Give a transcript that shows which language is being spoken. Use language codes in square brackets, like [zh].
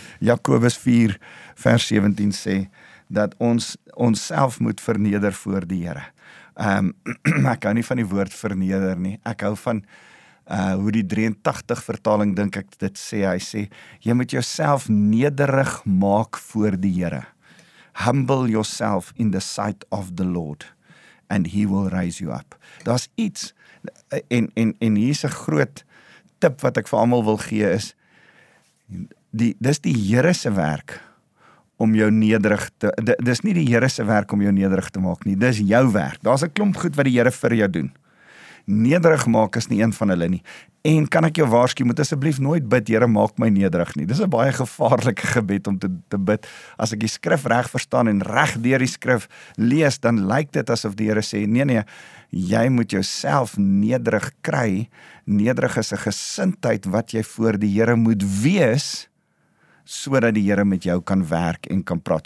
[af] Jakobus 4 vers 17 sê dat ons onsself moet verneder voor die Here. Ek hou nie van die woord verneder nie. Ek hou van hoe die 83 vertaling dink ek dit sê. Hy sê jy moet jouself nederig maak voor die Here. [en] Humble yourself in the sight of the Lord and he will raise you up. [af] Daar's iets, en hier's 'n groot tip wat ek vir almal wil gee, is dis die Here se werk om jou nederig te, dis nie die Here se werk om jou nederig te maak nie, dis jou werk. Daar's 'n klomp goed wat die Here vir jou doen. Nederig maak is nie een van hulle nie. En kan ek jou waarsku, moet asseblief nooit bid, Here, maak my nederig nie. Dis 'n baie gevaarlike gebed om te bid. As ek die skrif reg verstaan en reg deur die skrif lees, dan lyk dit asof die Here sê, nee, jy moet jouself nederig kry. Nederig is 'n gesindheid wat jy voor die Here moet wees, sodat die Here met jou kan werk en kan praat.